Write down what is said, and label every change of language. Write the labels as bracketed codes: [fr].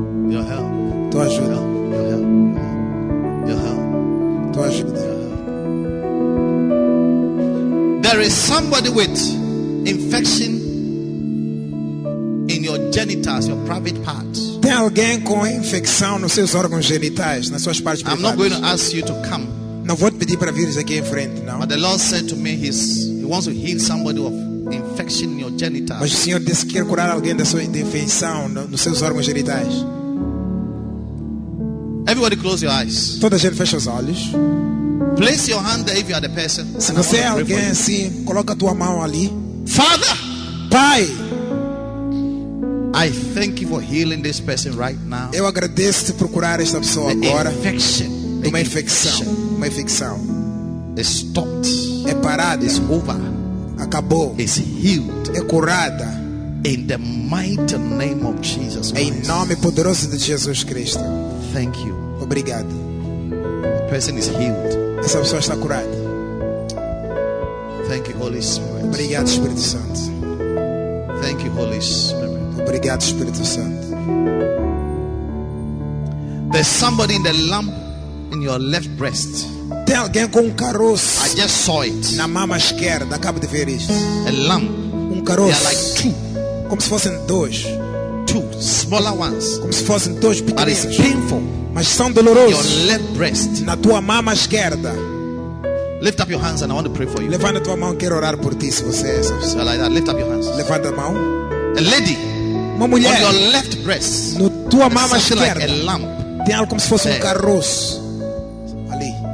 [en] Your help. [pt] Tua ajuda. [en] Your help. Your help. [pt] Tua ajuda. [en] There is somebody with infection in your genitals, your private parts. [pt] Tem alguém com infecção nos seus órgãos genitais, nas suas partes privadas. [en] I'm not going to ask you to come. [pt] Não vou te pedir para vires aqui em frente, não. [en] But the Lord said to me, He wants to heal somebody of infection in your genitals. [pt] Mas o Senhor disse que quer curar alguém da sua infecção nos seus órgãos genitais. [en] Everybody close your eyes. [pt] Toda a gente fecha os olhos. [en] Place your hand there if you are the person. [pt] Se você é alguém assim, coloca a tua mão ali. [en] Father, [pt] Pai, [en] I thank you for healing this person right now. [pt] Eu agradeço por curar esta pessoa [en] the [pt] agora. [en] Infection, [pt] uma infecção, uma infecção. [en] It stopped. [pt] É parada. [en] It's over. [pt] Acabou. [en] It's healed. [pt] É curada. [en] In the mighty name of Jesus Christ. [pt] Em nome poderoso de Jesus Cristo. [en] Thank you. [pt] Obrigado. [en] The person is healed. [pt] Essa pessoa está curada. [en] Thank you, Holy Spirit. [pt] Obrigado, Espírito Santo. [en] Thank you, Holy Spirit. [pt] Obrigado, Espírito Santo. [en] There's somebody in the lump in your left breast. [pt] Tem alguém com caroço. [en] I just saw it. [pt] Na mama esquerda, acabo de ver isso. [en] A lump. [pt] Caroço. [en] They are like two. [pt] Como se fossem dois. [en] Two smaller ones. [pt] Como se fossem dois pequenos. [en] But it's painful. [pt] Mas são dolorosos. [en] Your left breast. [pt] Na tua mama esquerda. [en] Lift up your hands and I want to pray for you. [pt] Levanta tua mão, quero orar por ti se você é essa pessoa. [en] Like that. Lift up your hands. [pt] Levanta a mão. [en] A lady. [pt] Uma mulher, [en] on your left breast, [pt] no tua mama esquerda, [en] like a lamp, [pt] tem algo como se fosse um caroço ali.